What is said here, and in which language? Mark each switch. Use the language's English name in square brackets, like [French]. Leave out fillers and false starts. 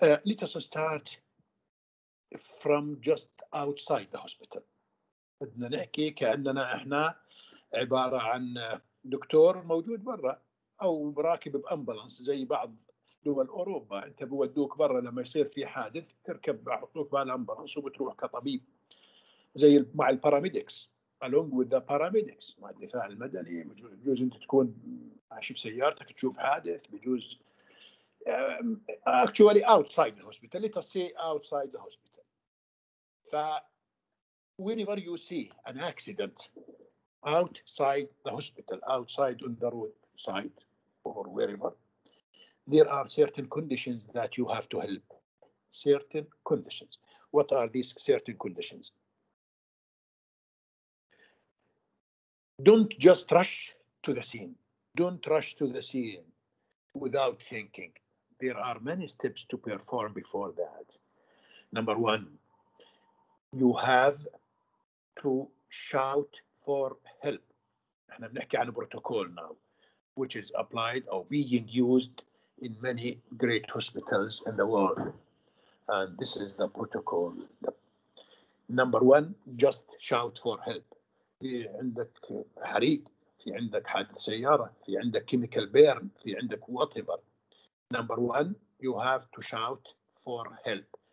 [English] Let us start from just outside the hospital. [Arabic] بدنا نحكي كأننا إحنا عبارة عن دكتور موجود برا أو راكب بأمبولانس زي بعض دول أوروبا، أنت بودوك برا لما يصير في حادث تركب بعطوك بالأمبرانس وبتروح كطبيب زي مع الباراميديكس [English] along with the paramedics [Arabic] مع الدفاع المدني. بجوز أنت تكون عايش بسيارتك تشوف حادث، بجوز [English] actually outside the hospital. Let us say outside the hospital. ف whenever you see an accident outside the hospital, outside on the road side or wherever, there are certain conditions that you have to help. Certain conditions. What are these certain conditions? Don't just rush to the scene. Don't rush to the scene without thinking. There are many steps to perform before that. Number one, you have to shout for help. [Arabic] احنا بنحكي عن بروتوكول [English] now, which is applied or being used in many great hospitals in the world. And this is the protocol. Number one, just shout for help. [Arabic] في عندك حريق، في عندك حادث سيارة، في عندك [English] chemical burn، [Arabic] في عندك [English] whatever. Number one, you have to shout for help.